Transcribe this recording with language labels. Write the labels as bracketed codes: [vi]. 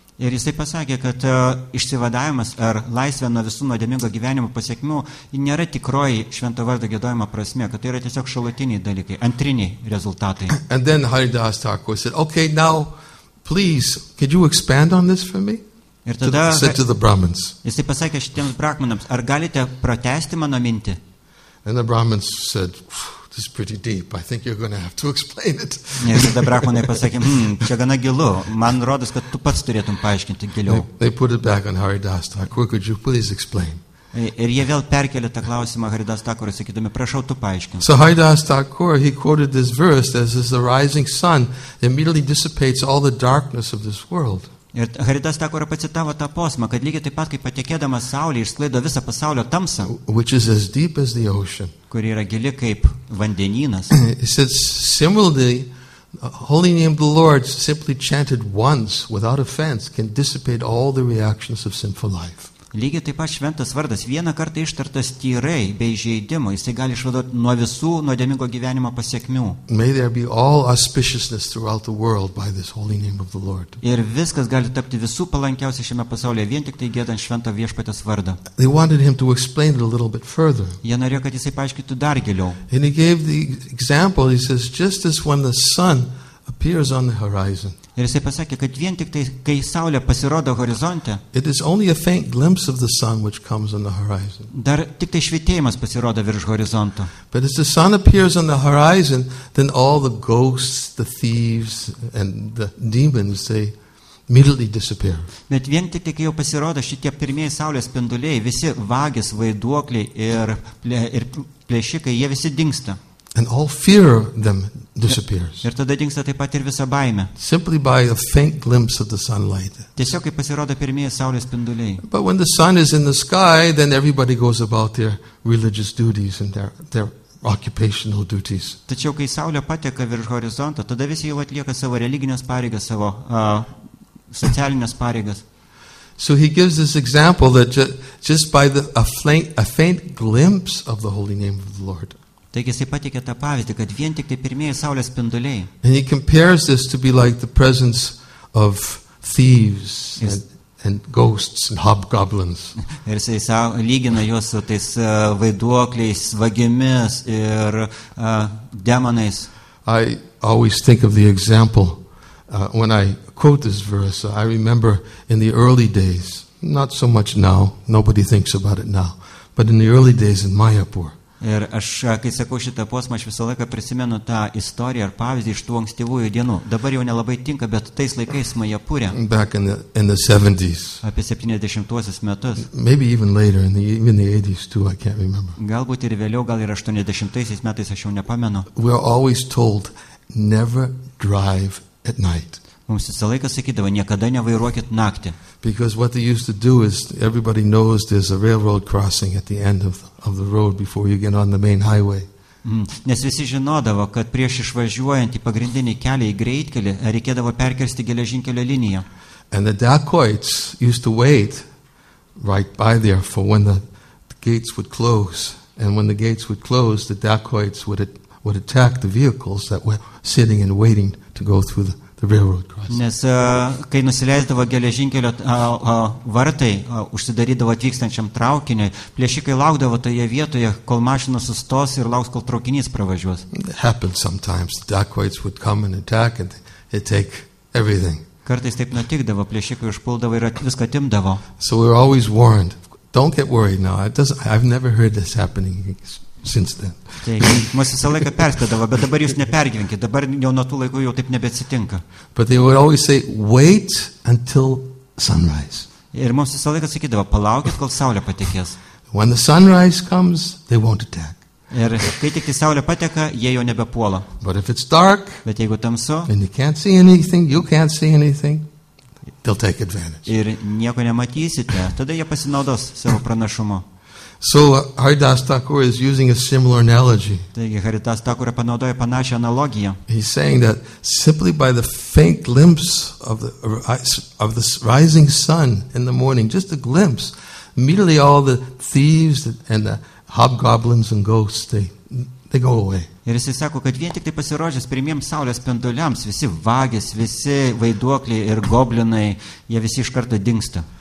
[lt] Ir jis taip pasakė, kad išsivadavimas ar laisvė nuo visų nuodėmingo gyvenimo pasiekmių nėra tikroji švento vardo giedojimo prasme, kad tai yra tiesiog šalutiniai dalykai, antriniai rezultatai. [en] And then Haridas Thakur said, okay, now, please, could you expand on this for me? [lt] Ir tada [en] to the Brahmins. [lt] Jis taip pasakė šitiems brahmanams, ar galite pratesti mano mintį? [en] And the Brahmins said, this is pretty deep. I think you're going to have to explain it. [lt] Nes tada brahmanai pasakė, čia gana gilu. Man rodos, kad tu pats turėtum paaiškinti giliau. [en] They put it back on Haridas Thakur. Could you please explain? [lt] Ir jie vėl perkelė tą klausimą Haridas Thakur, sakydami, prašau, tu paaiškink. [en] So Haridas Thakur, he quoted this verse as is the rising sun immediately dissipates all the darkness of this world. [lt] Ir Haridas Thakur pacitavo tą posmą, kad lygiai taip pat, kaip patekėdamas saulė išsklaido visą pasaulio tamsą, [en] which is as deep as the ocean. [lt] Kuri yra gili kaip vandenynas. [en] He said, similarly, the holy name of the Lord simply chanted once without offense can dissipate all the reactions of sinful life. [lt] Lygiai taip pat šventas vardas, vieną kartą ištartas tyrai bei žaidimo, jisai gali išvaduoti nuo visų nuodėmingo gyvenimo pasiekmių. [en] May there be all auspiciousness throughout the world by this holy name of the Lord. [lt] Ir viskas gali tapti visų palankiausiai šiame pasaulyje, vien tik tai giedant švento viešpatės vardą. [en] They wanted him to explain it a little bit further. [lt] Jie norėjo, kad jisai paaiškytų dar giliau. [en] And he gave the example, he says, just as when the sun appears on the horizon. [lt] Ir jisai pasakė, kad vien tik tai, kai saulė pasirodo horizonte, [en] it is only a faint glimpse of the sun which comes on the horizon. [lt] Dar tik tai švietėjimas pasirodo virš horizonto. [en] But as the sun appears on the horizon, then all the ghosts, the thieves and the demons, they immediately disappear. [lt] Bet vien tik tai, kai jau pasirodo šitie pirmieji saulės spinduliai, visi vagys, vaiduokliai ir plėšikai, jie visi dingsta. [en] And all fear of them disappears. [lt] Ir tada dingsta taip pat ir visa baimė. [en] Simply by a faint glimpse of the sunlight. [lt] Tiesiog kai pasirodo pirmieji saulės spinduliai. [en] But when the sun is in the sky, then everybody goes about their religious duties and their occupational duties. [lt] Tačiau kai saulė pateka virš horizonto, tada visi jau atlieka savo religinės pareigas, savo socialinės pareigas. [en] So he gives this example that just by a faint glimpse of the holy name of the Lord. [lt] Taigi jisai pateikė tą pavyzdį, kad vien tik tai pirmieji saulės spinduliai. [en] And he compares this to be like the presence of thieves and ghosts and hobgoblins. [lt] Ir jisai lygina juos su tais vaiduokliais, vagimis ir demonais. [en] I always think of the example when I quote this verse. I remember in the early days, not so much now, nobody thinks about it now, but in the early days in Mayapur. [lt] Ir aš, kai sakau šitą posmą, aš visą laiką prisimenu tą istoriją ar pavyzdį iš tų ankstyvųjų dienų. Dabar jau nelabai tinka, bet tais laikais Majapūrė. [en] Back in the 70s. [lt] Apie 70-osius metus. [en] Maybe even later, in the 80s too, I can't remember. [lt] Galbūt ir vėliau, gal ir 80-aisiais metais, aš jau nepamenu. [en] We are always told, never drive at night. [lt] Mums visą laiką sakydavo, niekada nevairuokit naktį. [en] Because what they used to do is, everybody knows there's a railroad crossing at the end of the road before you get on the main highway. [lt] Nes visi žinodavo, kad prieš išvažiuojant į pagrindinį kelią, į greitkelį, reikėdavo perkirsti geležinkelio liniją. [en] And the dacoits used to wait right by there for when the gates would close. And when the gates would close, the dacoits would attack the vehicles that were sitting and waiting to go through the [lt] Nes kai nusileisdavo geležinkelio vartai, užsidarydavo atvykstančiam traukiniui, plėšikai laukdavo toje vietoje, kol mašina sustos ir lauks, kol traukinys pravažiuos. [en] It happened sometimes. The dacoits would come and attack and they'd take everything. [lt] Kartais taip nutikdavo, plėšikai užpuldavo ir viską atimdavo. [en] So we're always warned. Don't get worried now. I've never heard this happening. since then. [lt] Taigi, mes visą laiką perspėdavo, bet dabar jūs nepergyvenkite, dabar jau nuo tų laikų jau taip nebeatsitinka. [en] But they would always say, wait until sunrise. [lt] Ir mums visą laiką sakydavo, palaukit, kol saulė patekės. [en] When the sunrise comes, they won't attack. [lt] Ir kai tik į saulę pateka, jie jau nebepuola. [en] But if it's dark, [lt] bet jeigu tamsu, [en] and you can't see anything, you can't see anything, they'll take advantage. [lt] Ir nieko nematysite, tada jie pasinaudos savo pranašumu. [en] So Haridas Thakur is using a similar analogy. [lt] Taigi Haridas Thakur panaudoja panašią analogiją. [en] He's saying that simply by the faint glimpse of the rising sun in the morning, just a glimpse, immediately all the thieves and the hobgoblins and ghosts, they go away. [lt] Ir jis sako, kad vien tik tai pasirodžius pirmiems saulės spinduliams, visi vagys, visi vaiduokliai ir goblinai, jie visi iš karto dingsta.